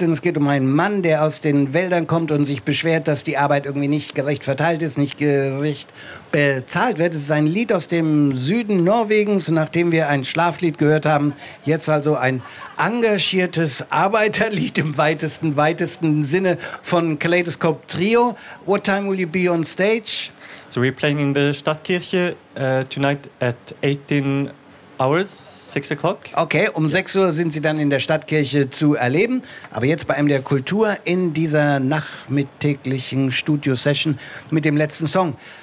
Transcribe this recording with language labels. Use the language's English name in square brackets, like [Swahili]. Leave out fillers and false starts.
[German] Denn es geht um einen Mann, der aus den Wäldern kommt und sich beschwert, dass die Arbeit irgendwie nicht gerecht verteilt ist, nicht gerecht bezahlt wird. Es ist ein Lied aus dem Süden Norwegens. Nachdem wir ein Schlaflied gehört haben, jetzt also ein engagiertes Arbeiterlied im weitesten Sinne von Kaleidoscope Trio. [English] What time will you be on stage? So we're playing in the Stadtkirche tonight at 18 hours. 6 o'clock. [German] Okay, um 6 Uhr sind Sie dann in der Stadtkirche zu erleben. Aber jetzt bei MDR Kultur in dieser nachmittäglichen Studio-Session mit dem letzten Song.